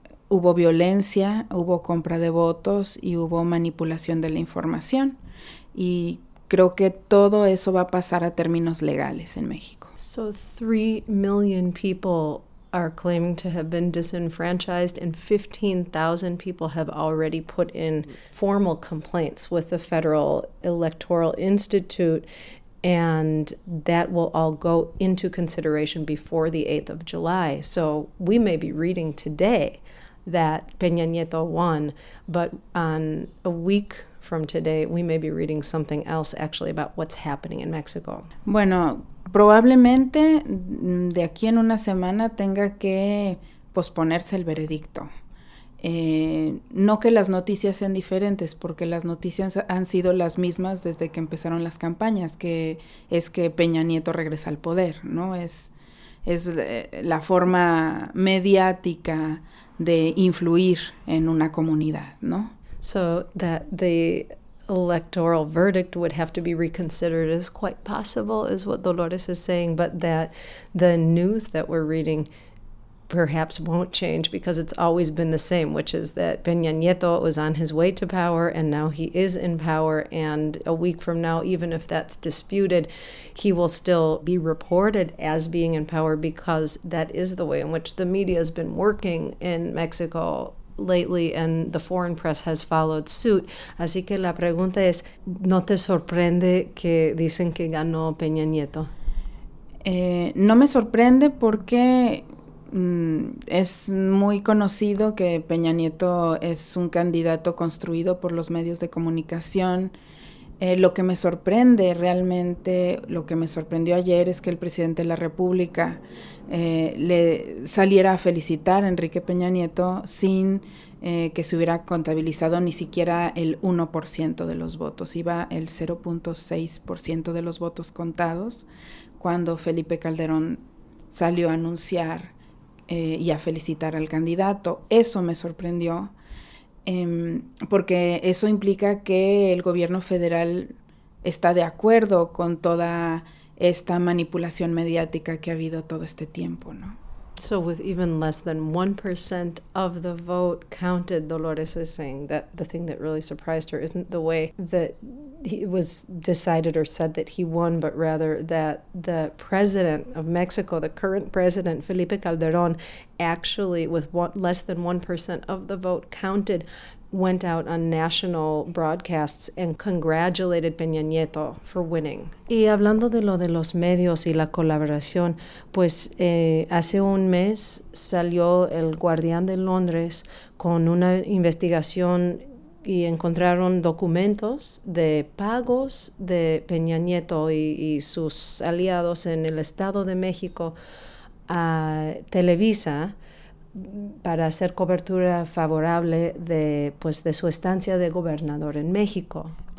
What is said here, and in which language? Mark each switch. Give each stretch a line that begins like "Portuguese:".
Spanish: Hubo violencia, hubo compra de votos y hubo manipulación de la información. Y creo que todo eso va a pasar a términos legales en México.
English: So 3 million people are claiming to have been disenfranchised and 15,000 people have already put in formal complaints with the Federal Electoral Institute. And that will all go into consideration before the 8th of July. So we may be reading today that Peña Nieto won, but on a week from today, we may be reading something else actually about what's happening in Mexico.
Spanish: Bueno, probablemente de aquí en una semana tenga que posponerse el veredicto. No que las noticias sean diferentes, porque las noticias han sido las mismas desde que empezaron las campañas, que es que Peña Nieto regresa al poder, ¿no? Es la forma mediática de influir en una comunidad, ¿no?
English: So that the electoral verdict would have to be reconsidered is quite possible, is what Dolores is saying, but that the news that we're reading perhaps won't change because it's always been the same, which is that Peña Nieto was on his way to power and now he is in power. And a week from now, even if that's disputed, he will still be reported as being in power because that is the way in which the media has been working in Mexico lately, and the foreign press has followed suit.
Spanish: Así que la pregunta es, ¿no te sorprende que dicen que ganó Peña Nieto? No me sorprende porque es muy conocido que Peña Nieto es un candidato construido por los medios de comunicación. Lo que me sorprende realmente, lo que me sorprendió ayer, es que el presidente de la República le saliera a felicitar a Enrique Peña Nieto sin que se hubiera contabilizado ni siquiera el 1% de los votos. Iba el 0.6% de los votos contados cuando Felipe Calderón salió a anunciar y a felicitar al candidato. Eso me sorprendió. Porque eso implica que el gobierno federal está de acuerdo con toda esta manipulación mediática que ha habido todo este tiempo, ¿no?
English: So with even less than 1% of the vote counted, Dolores is saying that the thing that really surprised her isn't the way that it was decided or said that he won, but rather that the president of Mexico, the current president, Felipe Calderón, actually with less than 1% of the vote counted, went out on national broadcasts and congratulated Peña Nieto for winning.
Spanish: Y hablando de lo de los medios y la colaboración, pues hace un mes salió el Guardián de Londres con una investigación y encontraron documentos de pagos de Peña Nieto y sus aliados en el Estado de México a Televisa para hacer cobertura favorable de, pues, de su estancia de gobernador en México.